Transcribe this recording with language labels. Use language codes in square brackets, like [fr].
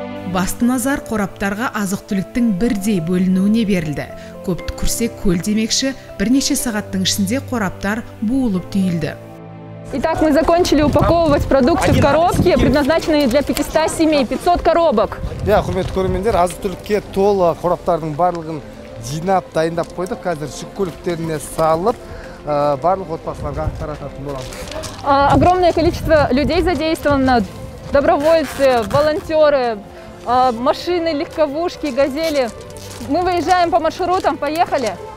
[kk] Басты назар қораптарға азық-түліктің бірдей бөлінуіне берілді. Көпті күрсе көл демекші, бірнеше сағаттың ішінде қораптар буылып түйілді. [ru] Итак, мы закончили упаковывать продукты в коробки, предназначенные для 500 семей, 500 коробок. [kk] Я, құрметті көрермендер, азық-түлікке толы қораптардың барлығын жинап, дайындап қойдық. Қазір жүк көліктеріне салып, барлық отбасыларға тарататын боламыз. [ru] Огромное количество людей задействовано, добровольцы, волонтеры, машины, легковушки, газели. Мы выезжаем по маршрутам, поехали.